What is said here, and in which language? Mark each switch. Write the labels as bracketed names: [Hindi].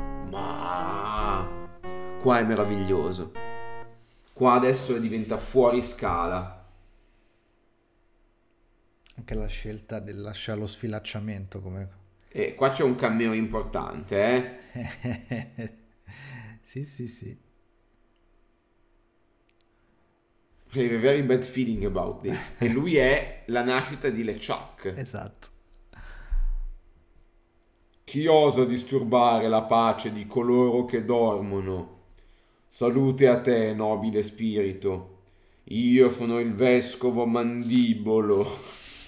[Italian] Ma qua è meraviglioso. Qua adesso diventa fuori scala. Anche la scelta del lasciare lo sfilacciamento come. E qua c'è un cameo importante, eh? Sì. [English] I have a very bad feeling about this. [Italian] E lui è la nascita di LeChuck. Esatto. Chi osa disturbare la pace di coloro che dormono? Salute a te, nobile spirito. Io sono il vescovo Mandibolo.